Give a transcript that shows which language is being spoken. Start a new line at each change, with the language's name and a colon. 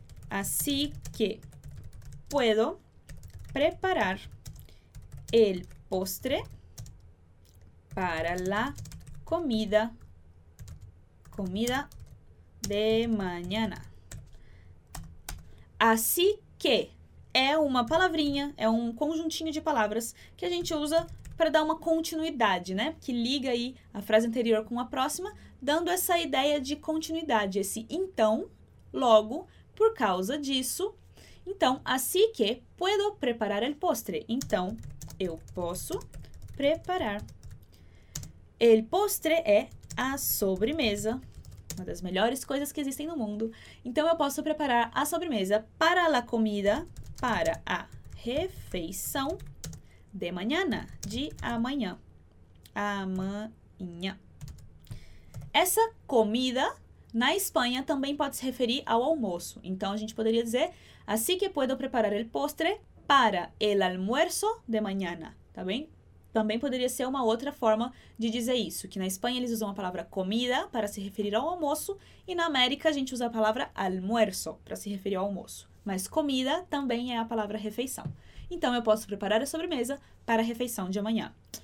Spanish: Así que puedo preparar el postre para la comida de mañana.
Portuguese: Así que é uma palavrinha, é um conjuntinho de palavras que a gente usa para dar uma continuidade, né? Que liga aí a frase anterior com a próxima, dando essa ideia de continuidade, esse então, logo, por causa disso. Então,
Spanish: así que puedo preparar el postre.
Portuguese: Então, eu posso preparar. El postre é a sobremesa. uma das melhores coisas que existem no mundo. Então, eu posso preparar a sobremesa
Spanish: para la comida,
Portuguese: para a refeição
Spanish: de mañana,
Portuguese: de amanhã. Amanhã. Essa comida, na Espanha, também pode se referir ao almoço. Então, a gente poderia dizer,
Spanish: así que puedo preparar el postre para el almuerzo de mañana.
Portuguese: Tá bem? Também poderia ser uma outra forma de dizer isso, que na Espanha eles usam a palavra comida para se referir ao almoço e na América a gente usa a palavra almuerzo para se referir ao almoço. Mas comida também é a palavra refeição. Então eu posso preparar a sobremesa para a refeição de amanhã.